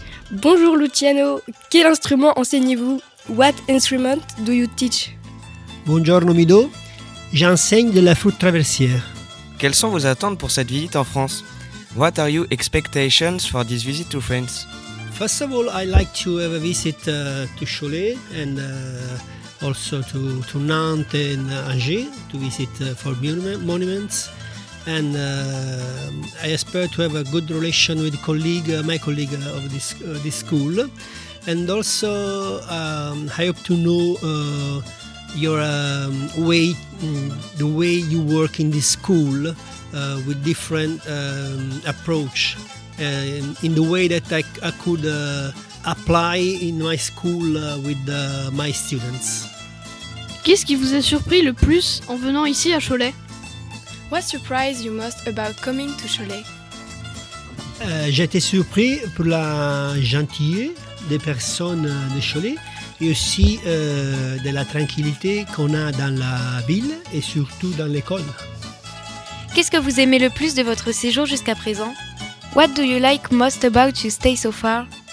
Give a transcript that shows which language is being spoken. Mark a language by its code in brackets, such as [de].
[fr] Bonjour Luciano, quel instrument enseignez-vous? [en] What instrument do you teach? [fr] Buongiorno Mido, j'enseigne de la flûte traversière. Quelles sont vos attentes pour cette visite en France? [en] What are your expectations for this visit to France? First of all, I like to have a visit to Cholet and also to Nantes and Angers to visit for monuments. And I aspire to have a good relation with my colleague of this school. And also, I hope to know the way you work in this school with different approach. In the way that I could apply in my school with my students. [fr] Qu'est-ce qui vous a surpris le plus en venant ici à Cholet? [en] What surprised you most about coming to Cholet? [fr] J'ai été surpris pour la gentillesse des personnes de Cholet et aussi de la tranquillité qu'on a dans la ville et surtout dans l'école. Qu'est-ce que vous aimez le plus de votre séjour jusqu'à présent? [en] What do you like most about your stay so far?